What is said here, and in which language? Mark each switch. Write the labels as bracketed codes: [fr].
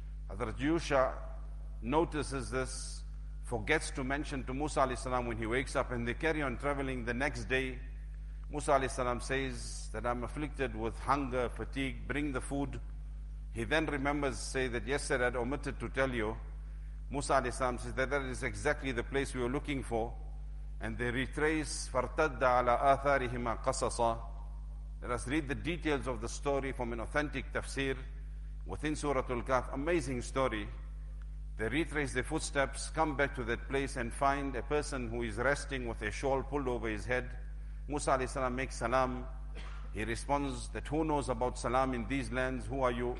[en] Hazrat Yusha notices this, forgets to mention to Musa alayhi salam when he wakes up, and they carry on traveling. The next day, Musa alayhi salam says that I'm afflicted with hunger, fatigue, bring the food. He then remembers, say that yesterday I'd omitted to tell you. Musa alayhi salam says that is exactly the place we were looking for. And they retrace, [ar] فَارْتَدَّ عَلَىٰ آثَارِهِمَا قَصَصًا. [en] Let us read the details of the story from an authentic tafsir within Suratul Kahf. Amazing story. They retrace their footsteps, come back to that place and find a person who is resting with a shawl pulled over his head. Musa alayhi salam makes salam. He responds that who knows about salam in these lands? Who are you?